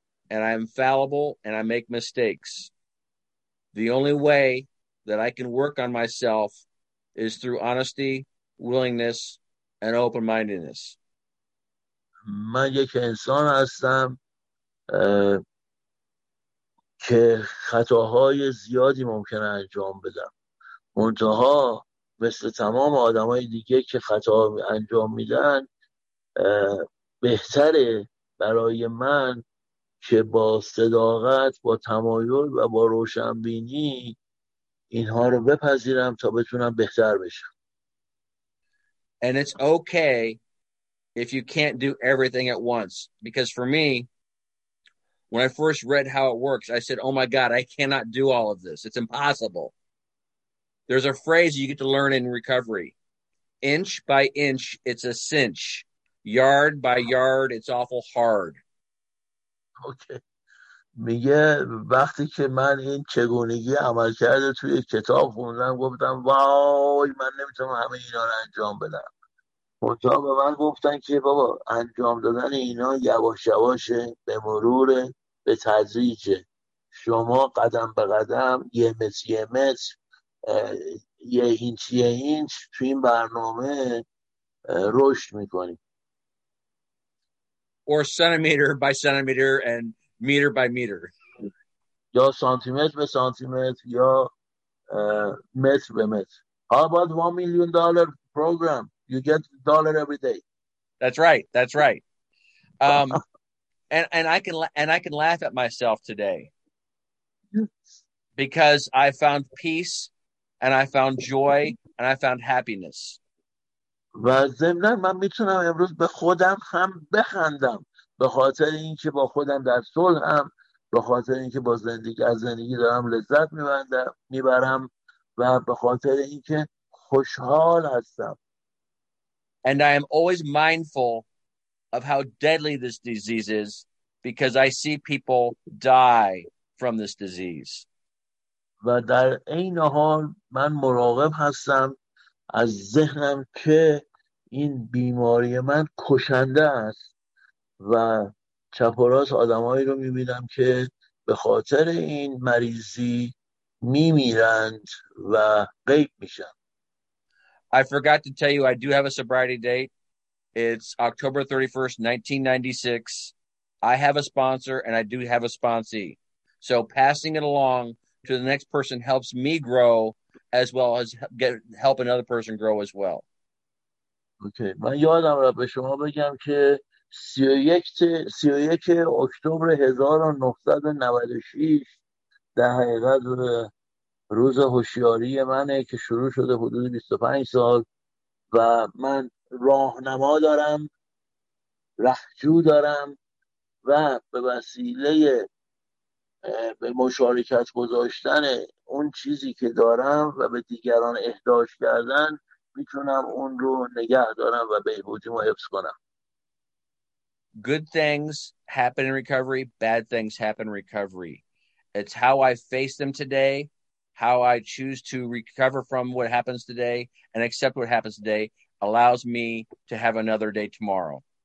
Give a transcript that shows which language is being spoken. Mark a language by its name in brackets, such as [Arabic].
[English] And I'm fallible, and I make mistakes. The only way that I can work on myself is through honesty, willingness, and open-mindedness. [Persian] من یک انسان هستم که خطاهای زیادی ممکن انجام بدم. منتها مثل تمام آدمای دیگه که خطا انجام میدن، بهتره برای من که با صداقت، با تمایل و با روشنبینی اینها رو بپذیرم تا بتونم بهتر بشم. [English] And it's okay if you can't do everything at once, because for me When I first read how it works, I said, oh my God, I cannot do all of this. It's impossible. There's a phrase you get to learn in recovery. Inch by inch, it's a cinch. Yard by yard, it's awful hard. Okay. [Persian] میگه وقتی که من این چگونگی عمل کرده توی کتاب خوندم گفتم وای من نمیتونم همه اینا رو انجام بدم. اونجا به من گفتن که بابا انجام دادن اینا یواش یواشه، به مرور، به تدریج، شما قدم به قدم، یه متر یه متر، یه اینچ یه اینچ توی این برنامه رشد میکنی. [English] Or centimeter by centimeter and meter by meter. [Persian] یا سانتیمتر به سانتیمتر یا متر به متر. [English] How about $1 million program? You get a dollar every day. That's right. That's right. and I can laugh at myself today. Because I found peace and I found joy and I found happiness. [Persian] و ضمن من میتونم امروز به خودم هم بخندم به خاطر اینکه با خودم در صلحم، به خاطر اینکه با زندگی از زندگی دارم لذت میبرم و به خاطر اینکه خوشحال هستم. [English] And I am always mindful of how deadly this disease is because I see people die from this disease. [Persian] و در این حال من مراقب هستم از ذهنم که این بیماری من کشنده است و چپ و راست آدمایی رو می‌بینم که به خاطر این مریضی می‌میرند و غیب میشن. [English] I forgot to tell you I do have a sobriety date. It's October 31st, 1996. I have a sponsor and I do have a sponsee. So passing it along to the next person helps me grow as well as help another person grow as well. Okay. [Persian] من یادم رفت به شما بگم که 31 اکتبر 1996 در حقیقت روز هوشیاری منه که شروع شده حدود 25 سال و من راهنما دارم، رهجو دارم و به وسیله به مشارکت گذاشتن اون چیزی که دارم و به دیگران اهداش کردن میتونم اون رو نگه دارم و بهبودیم و حفظ کنم. [English] Good things happen in recovery, bad things happen in recovery. It's how I face them today, how I choose to recover from what happens today and accept what happens today allows me to have another day tomorrow.